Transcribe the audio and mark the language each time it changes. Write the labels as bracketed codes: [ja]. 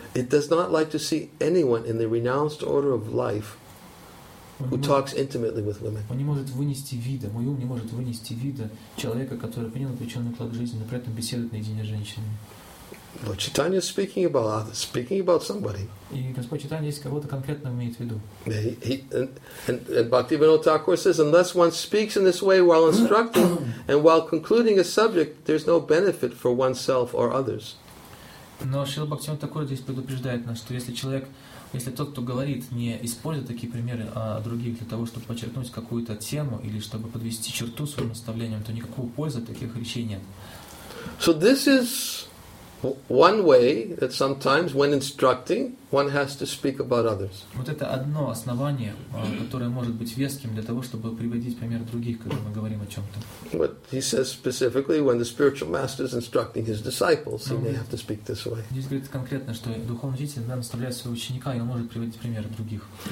[en] It does not like to see anyone in the renounced order of life who talks intimately with women. [ru] Он не может вынести вида, мой ум не может вынести вида человека, который принял отреченный уклад жизни, но при этом беседует наедине с женщинами. [en] Lord Chaitanya is speaking about others, speaking about somebody. [ru] И Господь Читания здесь кого-то конкретно имеет в виду. [en] And Bhaktivinoda Thakur says, unless one speaks in this way while instructing and while concluding a subject, there's no benefit for oneself or others. [ru] Но Шрила Бхактивинода Тхакура здесь предупреждает нас, что если человек, если тот, кто говорит, не использует такие примеры о других для того, чтобы подчеркнуть какую-то тему или чтобы подвести черту своим наставлением, то никакого пользы от таких речей нет. [en] So this is one way that sometimes, when instructing, one has to speak about others. [ru] Вот это одно основание, которое может быть веским для того, чтобы приводить пример других, когда мы говорим о чем-то. [en] But he says specifically, when the spiritual master is instructing his disciples, he may have to speak this way. [ru] Здесь говорит конкретно, что духовный учитель иногда наставляет своего ученика, и он может приводить примеры других.